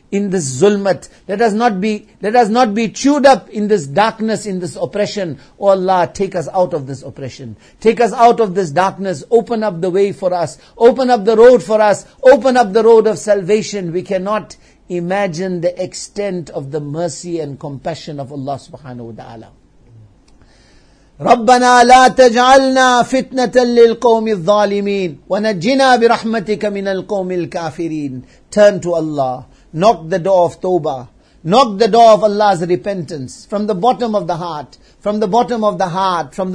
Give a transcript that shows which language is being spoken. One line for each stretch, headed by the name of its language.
English: In this zulmat, let us not be chewed up in this darkness, in this oppression. Oh Allah, take us out of this oppression. Take us out of this darkness. Open up the way for us. Open up the road for us. Open up the road of salvation. We cannot imagine the extent of the mercy and compassion of Allah subhanahu wa ta'ala.
Arabic: ربنا لا تجعلنا فتنة للقوم الظالمين ونجنا برحمتك من القوم الكافرين.
English: Turn to Allah. Knock the door of Tawbah. Knock the door of Allah's repentance from the bottom of the heart. From the bottom of the heart.